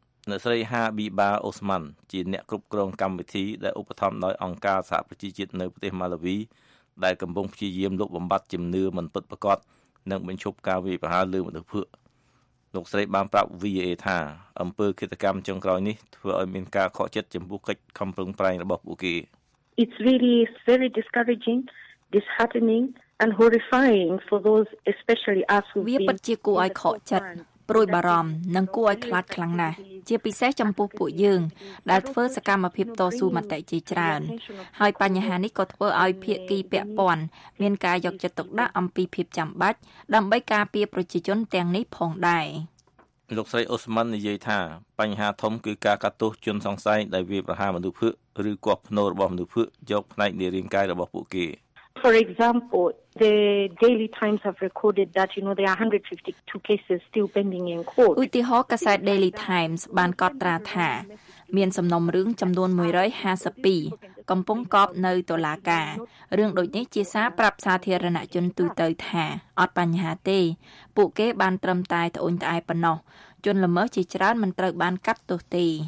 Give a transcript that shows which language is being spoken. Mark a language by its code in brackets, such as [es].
[km] អ្នកស្រីហាប៊ីបាអូស្មាន់ជាអ្នកគ្រប់គ្រងកម្មវិធីដែលឧបត្ថម្ភដោយអង្គការសហប្រជាជាតិនៅប្រទេសម៉ាឡាវីដែលកំពុងព្យាយាមលុបបំបាត់ជំនឿមិនពិតប្រាកដនិងបញ្ឈប់ការវាយប្រហារលើមនុស្សភក់លោកស្រីបានប្រាប់ VA ថាអំពើឃាតកម្មចុងក្រោយនេះធ្វើឲ្យមានការខកចិត្តចំពោះកិច្ចខំប្រឹងប្រែងរបស់ពួកគេ [en] It's really very discouraging, disheartening and horrifying for those especially us who have been [km] វាពិតជាគួរឲ្យខកចិត្តព្រួយបារម្ភនិងគួរឲ្យខ្លាចខ្លាំងណាស់ជាពិសេសចំពោះពួកយើងដែលធ្វើសកម្មភាពតស៊ូមតិជាច្រើនហើយបញ្ហានេះក៏ធ្វើឲ្យភាគីពាក់ព័ន្ធមានការយកចិត្តទុកដាក់អំពីភាពចាំបាច់ដើម្បីការពារប្រជាជនទាំងនេះផងដែរ លោកស្រីអូស្មាន់និយាយថាបញ្ហាធំគឺការកាត់ទោសជនសង្ស័យដែលវាប្រហារមនុស្សភក់ឬគាត់ភ្នូររបស់មនុស្សភក់យកផ្នែកនៃរាងកាយរបស់ពួកគេ [en] For example, the Daily Times have recorded that, you know, there are 152 cases still pending in court. [km] ឧទាហរណ៍កាសែត Daily Times បានកត់ត្រាថាមានសំណុំរឿងចំនួន152កំពុងកប់នៅតុលាការរឿងដូចនេះជាសារប្រាប់សាធារណជនទូទៅថាអត់បញ្ហាទេពួកគេបានត្រឹមតែត្អូញត្អែប៉ុណ្ណោះជនល្មើសជាច្រើនមិនត្រូវបានកាត់ទោសទេ